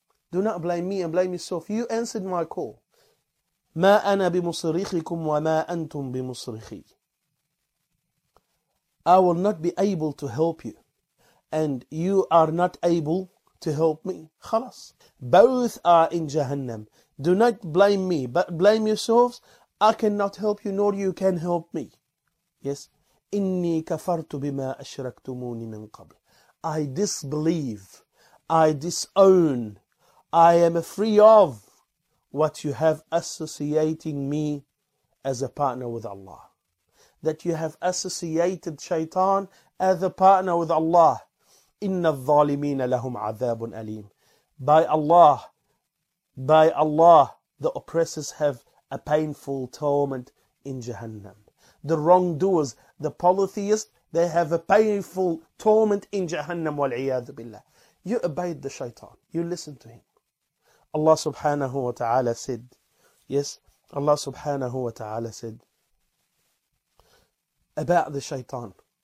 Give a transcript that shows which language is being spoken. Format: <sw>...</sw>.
<en>Do not blame me and blame yourself. You answered my call.</en> <ar>مَا أَنَا بِمُصْرِخِكُمْ وَمَا أَنْتُمْ بِمُصْرِخِي</ar> <en>I will not be able to help you. And you are not able to help me.</en> <ar>خلاص.</ar> <en>Both are in Jahannam. Do not blame me, but blame yourselves. I cannot help you, nor you can help me. Yes.</en> <ar>إني كفرت بما أشركتموني من قبل.</ar> <en>I disbelieve. I disown. I am free of what you have associating me as a partner with Allah. That you have associated Shaitan as a partner with Allah.</en> <ar>إن الظالمين لهم عذاب أليم.</ar> <en>By Allah, the oppressors have a painful torment in Jahannam. The wrongdoers, the polytheists, they have a painful torment in Jahannam</en> <ar>والعياذ بالله.</ar> <en>You obeyed the shaitan. You listen to him. Allah subhanahu wa ta'ala said, yes, Allah subhanahu wa ta'ala said about the shaitan.</en>